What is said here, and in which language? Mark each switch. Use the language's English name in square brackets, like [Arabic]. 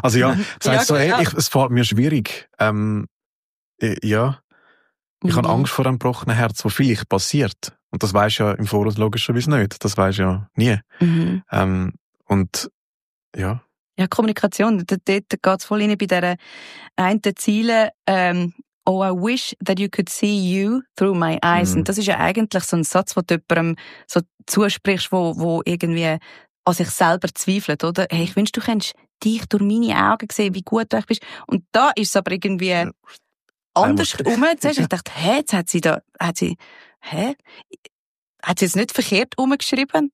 [German] Also ja, das heisst ja, so, hey, es fällt mir schwierig. Ich habe Angst vor einem gebrochenen Herz, wo vielleicht passiert. Und das weisst du ja im Voraus logischerweise nicht. Das weisst du ja nie. Mhm. Und Kommunikation. Dort geht es voll rein bei dieser einen Ziele. [English] Oh, I wish that you could see you through my eyes. [German] Mhm. Und das ist ja eigentlich so ein Satz, den du jemandem so zusprichst, wo irgendwie an sich selber zweifelt, oder? Hey, ich wünsch, du könntest dich durch meine Augen sehen, wie gut du echt bist. Und da ist es aber irgendwie anders rum. Ich dachte, hat sie es nicht verkehrt umgeschrieben?